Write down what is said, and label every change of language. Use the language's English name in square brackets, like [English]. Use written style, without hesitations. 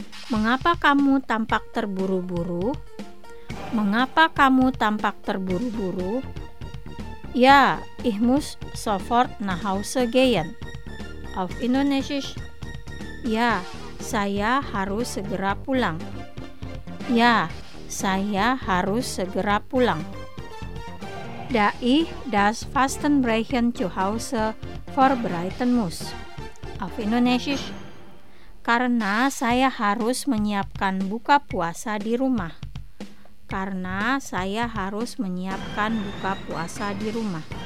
[Indonesian] Mengapa kamu tampak terburu-buru? Mengapa kamu tampak terburu-buru? [German] Ya, ich muss sofort nach Hause gehen. Auf Indonesisch. [Indonesian] Ya, saya harus segera pulang. Ya, saya harus segera pulang. [German] Da ich das Fastenbrechen zu Hause vorbereiten muss. Auf Indonesisch. [Indonesian] Karena saya harus menyiapkan buka puasa di rumah. Karena saya harus menyiapkan buka puasa di rumah.